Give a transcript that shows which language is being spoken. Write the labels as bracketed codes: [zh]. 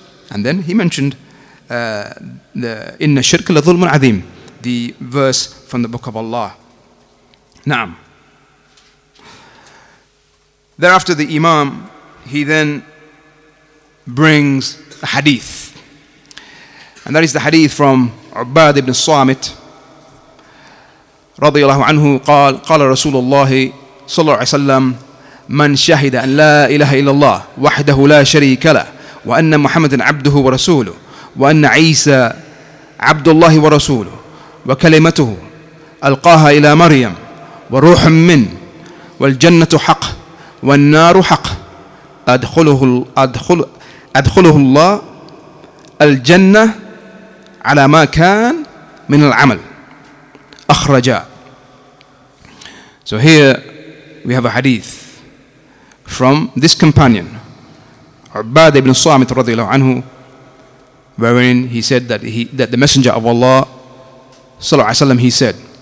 [en] And then he mentioned the [ar] إِنَّ الشِّرْكَ لَظُلْمٌ عَظِيمٌ, [en] the verse from the Book of Allah. Naam. Thereafter the Imam, he then brings a hadith. And that is the hadith from Ubad ibn Samit [ar] رضي الله عنه قال قال رسول الله صلى الله عليه وسلم من شهد أن لا إله إلا الله وحده لا شريك له وأن محمد عبده ورسوله وأن عيسى عبد الله ورسوله وكلمته ألقاها إلى مريم وروح من والجنة حق والنار حق أدخله الله الجنة على ما كان من العمل أخرجا. [en] So here we have a hadith from this companion, Ubad ibn Samit radiallahu anhu, wherein he said that the Messenger of Allah, sallallahu alaihi wasallam, he said,